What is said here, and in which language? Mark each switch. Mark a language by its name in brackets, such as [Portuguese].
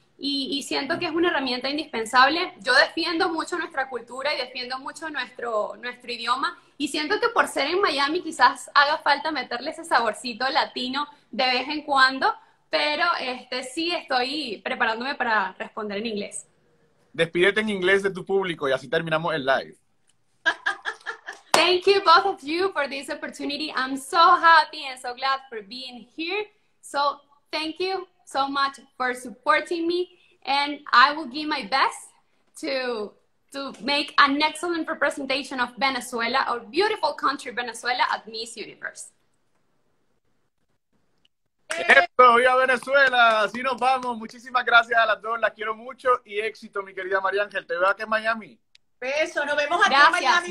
[Spanish] y siento que es una herramienta indispensable. Yo defiendo mucho nuestra cultura y defiendo mucho nuestro idioma, y siento que por ser en Miami quizás haga falta meterle ese saborcito latino de vez en cuando, pero sí estoy preparándome para responder en inglés. Despídete en inglés de tu público y así terminamos el live. [English] Thank you both of you for this opportunity. I'm so happy and so glad for being here. So thank you so much for supporting me, and I will give my best to make an excellent representation of Venezuela, our beautiful country Venezuela, at Miss Universe. [Spanish] ¡Eso! ¡Viva Venezuela! ¡Así nos vamos! Muchísimas gracias a las dos. Las quiero mucho y éxito, mi querida María Ángel. Te veo aquí en Miami. ¡Beso! ¡Nos vemos aquí en Miami